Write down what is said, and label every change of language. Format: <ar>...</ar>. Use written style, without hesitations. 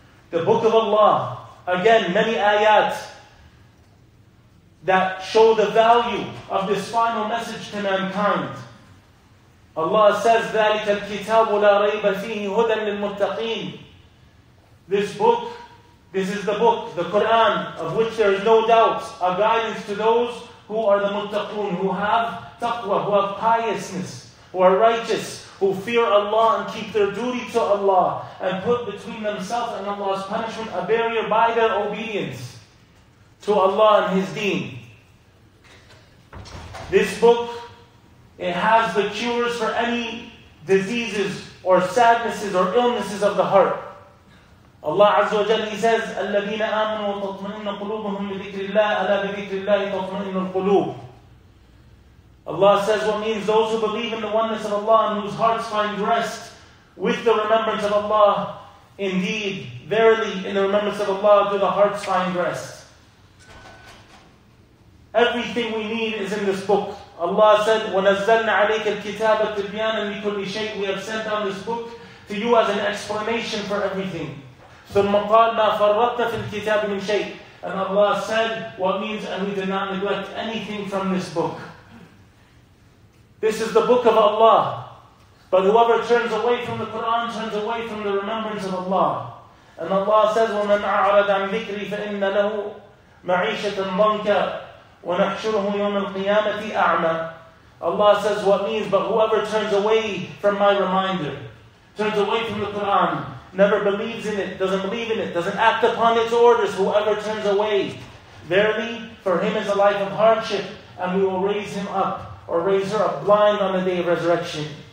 <en>The book of Allah, again, many ayat that show the value of this final message to mankind. Allah says,</en> <ar>ذَلِكَ الْكِتَابُ لَا رَيْبَ فِيهِ هُدًى لِلْمُتَّقِينَ.</ar> <en>This book, this is the book, the Quran, of which there is no doubt, a guidance to those who are the muttaqun, who have taqwa, who have piousness, who are righteous, who fear Allah and keep their duty to Allah, and put between themselves and Allah's punishment a barrier by their obedience to Allah and His deen. This book, it has the cures for any diseases or sadnesses or illnesses of the heart. Allah Azza wa Jalla, He says,</en> <ar>الَّذِينَ آمَنُوا وَتَطْمَئِنَّ قُلُوبُهُمْ لِذِكْرِ اللَّهِ أَلَا بِذِكْرِ اللَّهِ تَطْمَئِنُّ الْقُلُوبُ.</ar> <en>Allah says what means those who believe in the oneness of Allah and whose hearts find rest with the remembrance of Allah, indeed, verily, in the remembrance of Allah do the hearts find rest. Everything we need is in this book. Allah said,</en> <ar>وَنَزَّلْنَا عَلَيْكَ الْكِتَابَ تِبْيَانًا لِكُلِّ شَيْءٍ.</ar> <en>We have sent down this book to you as an explanation for everything.</en> <ar>ثُمَّ قَالْ مَا فَرَّطْنَا فِي الْكِتَابِ مِنْ شَيْءٍ.</ar> <en>And Allah said what means, and we did not neglect anything from this book. This is the book of Allah. But whoever turns away from the Quran turns away from the remembrance of Allah. And Allah says,</en> <ar>وَمَنْ أَعْرَضَ عَنْ ذِكْرِي فَإِنَّ لَهُ مَعِيشَةً ضَنْكَ وَنَحْشُرُهُ يَوْمَ الْقِيَامَةِ أَعْمَى.</ar> <en>Allah says what means, but whoever turns away from my reminder, turns away from the Quran, never believes in it, doesn't believe in it, doesn't act upon its orders, whoever turns away, verily, for him is a life of hardship, and we will raise him up, or raise her up blind on the day of resurrection.</en>